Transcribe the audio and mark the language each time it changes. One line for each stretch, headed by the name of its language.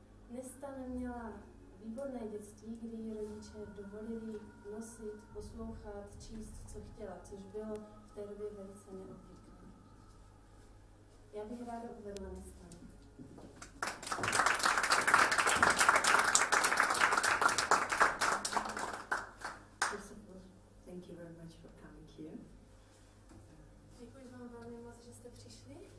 Czech: Nestan měla výborné dětství, kdy jí rodiče dovolili nosit, poslouchat, číst, co chtěla, což bylo v té době velice neobvyklé. Já bych ráda uvedla Nestan.
English: First of all, thank you very much for coming here.
Czech: Děkuji vám velmi moc, že jste přišli.